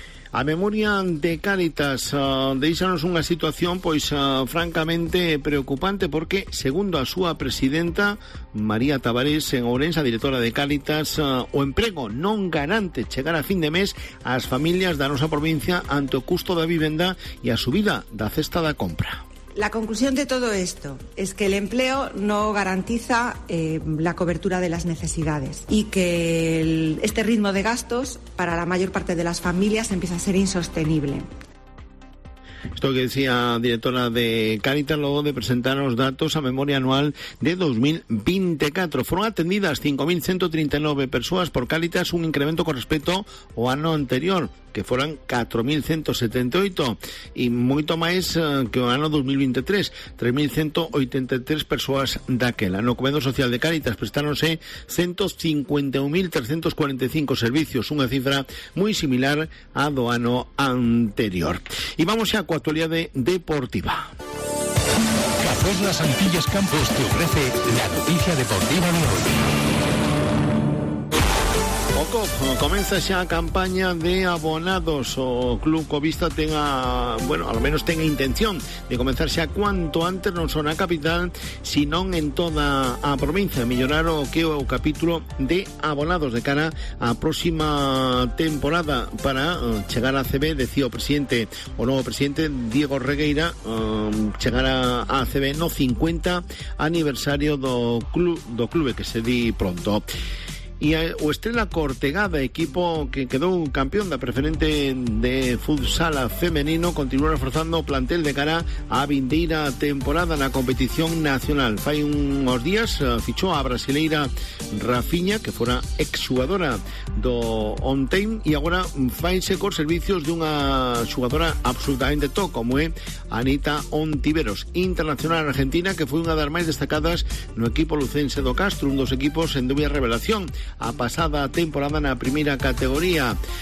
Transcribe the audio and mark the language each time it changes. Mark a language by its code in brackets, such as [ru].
[gl] A memoria de Cáritas deixanos unha situación pois francamente preocupante, porque segundo a súa presidenta María Tavares en Ourense, a directora de Cáritas, o emprego non garante chegar a fin de mes ás familias da nosa provincia ante o custo da vivenda e a subida da cesta da compra. [es] La conclusión de todo esto es que el empleo no garantiza la cobertura de las necesidades y que este ritmo de gastos para la mayor parte de las familias empieza a ser insostenible. Esto que decía directora de Cáritas luego de presentar los datos a memoria anual de 2024. Fueron atendidas 5.139 personas por Cáritas, un incremento con respecto al año anterior, que fueran 4.178, y [gl] moito máis que o ano 2023, 3.183 persoas daquela. No Comedor Social de Cáritas prestáronse 151.345 servicios, unha cifra moi similar á do ano anterior. E vamos xa coa actualidade deportiva. [es] Cafés Las Antillas Campos te ofrece la noticia deportiva de hoy. [gl] O COP comeza xa a campaña de abonados. O club covista ten a, [es] bueno, al menos [gl] ten a intención de comenzar xa cuanto antes, non só na capital, sinón en toda a provincia, mellorar o que o capítulo de abonados de cara á próxima temporada para chegar a CB, decía o presidente, o novo presidente Diego Regueira, chegar a CB no 50 aniversario do club, do clube que se di pronto. E o Estrela Cortegada, equipo que quedou campeón da preferente de futsal femenino, continúa reforzando o plantel de cara a vindeira temporada na competición nacional. Fai uns días fichou a brasileira Rafinha, que fora exxugadora do Ontem, e agora faise cos servicios dunha xugadora absolutamente top, como é Anita Ontiveros, internacional argentina, que foi unha das máis destacadas no equipo lucense do Castro, un dos equipos en dúbia revelación a pasada temporada na primeira categoría.